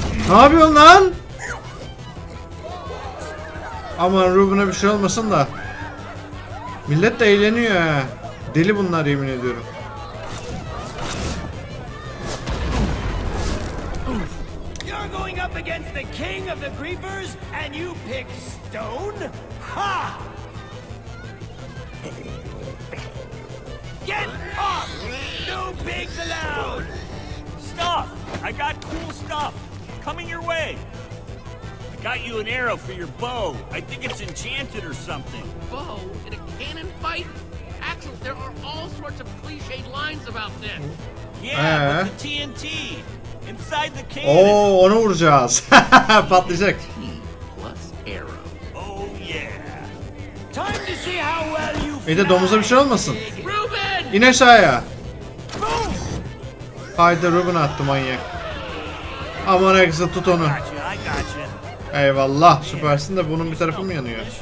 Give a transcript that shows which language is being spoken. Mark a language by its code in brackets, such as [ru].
[tr] Ne yapıyorsun lan? Aman Ruben'a bir şey olmasın da. Millet de eğleniyor he. Deli bunlar yemin ediyorum. [en] You're going up against the king of the creepers and you pick stone? Ha! Get up! No pigs allowed! Stop! I got cool stuff coming your way. I got you an arrow for your bow. I think it's enchanted or something. Bow in a cannon fight? Axel, there are all sorts of cliched lines about this. Yeah, but the TNT inside the cannon. [tr] Oh, onu vuracağız. Patlayacak. [en] TNT plus arrow. Oh yeah. Time to see how well you fly. [tr] Bir de domuza bir şey olmasın. Ruben! İn aşağıya. Haydi Ruben attı manyak. Aman Axel, tut onu. Eyvallah, süpersin de bunun bir tarafı mı yanıyor?